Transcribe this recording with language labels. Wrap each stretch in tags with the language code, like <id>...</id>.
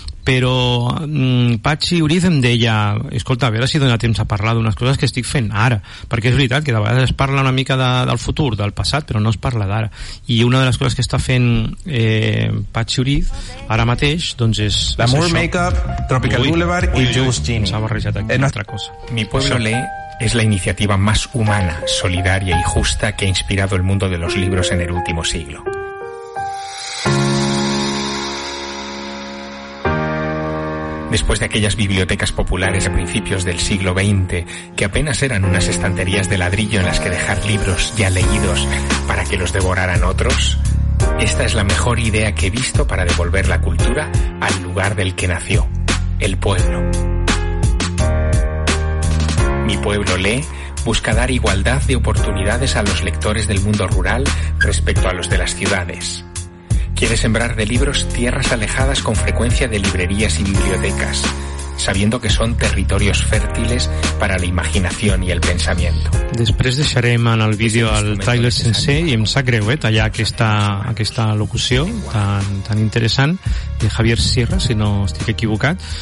<ca>Però Patxi Uriz em deia, escolta, a veure si dona temps a parlar d'unes coses que estic fent ara, perquè és veritat que de vegades es parla una mica del futur, del passat, però no es parla d'ara. I una de les coses que està fent Patxi Uriz ara mateix, doncs és La Moore Makeup, Tropical Boulevard i Just Jean. S'ha barrejat aquí una altra cosa.</ca> <es>Mi Pueblo Lee es la iniciativa más humana, solidaria y justa que ha inspirado el mundo de los libros en el último siglo. Después de aquellas bibliotecas populares a principios del siglo XX, que apenas eran unas estanterías de ladrillo en las que dejar libros ya leídos para que los devoraran otros, esta es la mejor idea que he visto para devolver la cultura al lugar del que nació, el pueblo. Mi Pueblo Lee busca dar igualdad de oportunidades a los lectores del mundo rural respecto a los de las ciudades. Quiere sembrar de libros tierras alejadas con frecuencia de librerías y bibliotecas, sabiendo que son territorios fértiles para la imaginación y el pensamiento.</es> <ca>Després deixarem en el vídeo el tràiler sencer i em sap greu tallar aquesta locució tan interessant de Javier Sierra, si no estic equivocat.</ca>